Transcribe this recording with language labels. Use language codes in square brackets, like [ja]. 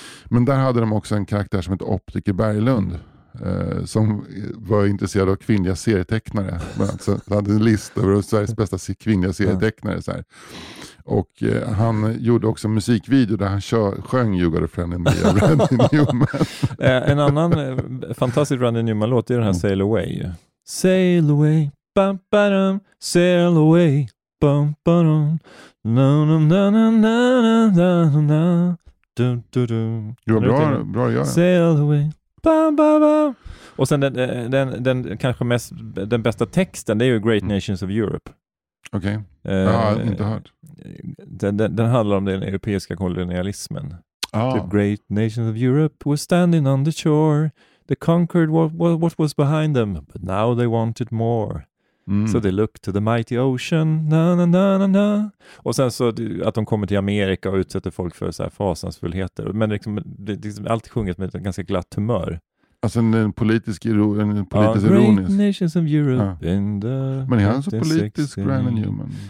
[sv] men där hade de också en karaktär som heter Optiker Berglund, som var intresserad av kvinnliga serietecknare. Så hade en lista över Sveriges bästa kvinnliga serietecknare så här. Och han gjorde också en musikvideo där han sjöng You Got a Friend in Me av Randy Newman. En annan fantastisk Randy Newman låt är den här Sail Away. [en] Sail away, bam, badum, sail away, bam, badum. No no no no no no no no no. Du du du. [sv] Jo, bra att göra. [en] Sail away. Bam bam bam. [sv] Och sen den kanske mest, den bästa texten, det är ju Great Nations of Europe. Okej. Okay. Jag har inte hört. Den handlar om den europeiska kolonialismen. Ah. [en] The Great Nations of Europe were standing on the shore. They conquered what was behind them, but now they wanted more. Mm. So they look to the mighty ocean, na na na na na. [sv] Och sen så att de kommer till Amerika och utsätter folk för så här fasansfullheter. Men liksom, det är alltid sjunget med ett ganska glatt humör. Alltså en politisk ironisk. [en] Great Nations of Europe in the... [sv] Men är han så politisk, Randy Newman?